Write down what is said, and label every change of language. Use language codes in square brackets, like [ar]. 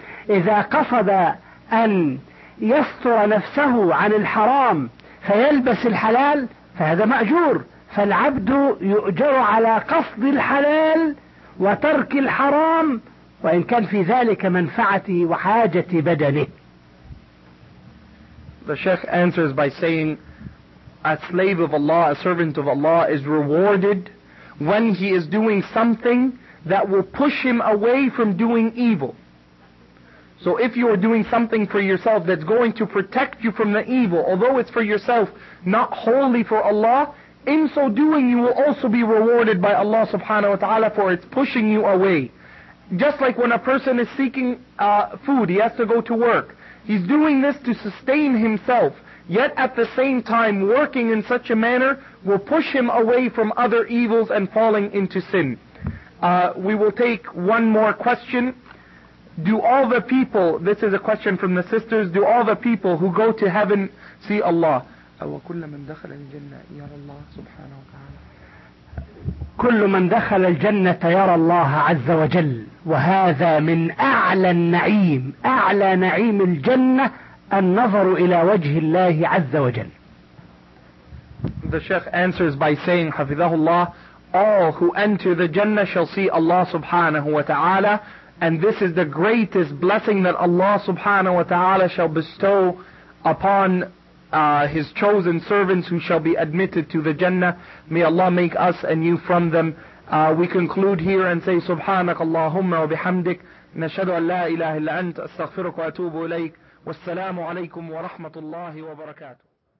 [ar] إذا قصد أن يستر نفسه عن الحرام فيلبس الحلال فهذا مأجور، فالعبد يؤجر على قصد الحلال وترك الحرام وإن كان في ذلك منفعته وحاجة بدنه. [en] The Sheikh answers by saying, a slave of Allah, a servant of Allah, is rewarded when he is doing something that will push him away from doing evil. So if you are doing something for yourself that's going to protect you from the evil, although it's for yourself, not wholly for Allah, in so doing you will also be rewarded by Allah subhanahu wa ta'ala, for it's pushing you away. Just like when a person is seeking food, he has to go to work. He's doing this to sustain himself, yet at the same time working in such a manner will push him away from other evils and falling into sin. We will take one more question. Do all the people, this is a question from the sisters, do all the people who go to heaven see Allah? [ar] وكل من دخل الجنة يرى الله سبحانه وتعالى. كل من دخل الجنة يرى الله عز وجل، وهذا من أعلى النعيم، أعلى نعيم الجنة النظر إلى وجه الله عز وجل. [en] The Sheikh answers by saying, [ar] حفظه الله, [en] all who enter the Jannah shall see Allah subhanahu wa ta'ala, and this is the greatest blessing that Allah subhanahu wa ta'ala shall bestow upon His chosen servants who shall be admitted to the Jannah. May Allah make us and you from them. We conclude here and say, [ar] سبحانك اللهم وبحمدك نشهد أن لا إله إلا أنت أستغفرك وأتوب إليك والسلام عليكم ورحمة الله وبركاته.